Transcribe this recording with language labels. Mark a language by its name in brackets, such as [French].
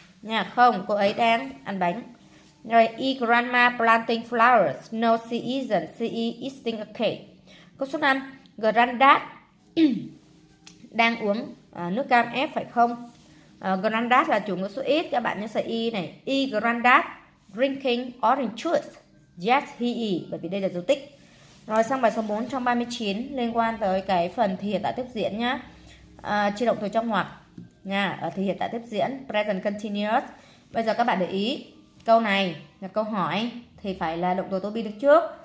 [Vietnamese] Nha, không, cô ấy đang ăn bánh. [English] Rồi, is grandma planting flowers? No, she isn't. She is eating a cake. [Vietnamese] Câu số 5, granddad đang uống nước cam ép phải không? Granddad là chủ ngữ số ít, các bạn nhớ sợi y này. [English] Is granddad drinking orange juice? Yes, he is. [Vietnamese] Bởi vì đây là dấu tích. Rồi, sang bài số 4 trong 39 liên quan tới cái phần thì hiện tại tiếp diễn nhá. Chia động từ trong ngoặc. Nha, thì hiện tại tiếp diễn present continuous. Bây giờ các bạn để ý câu này là câu hỏi thì phải là động từ to be được trước.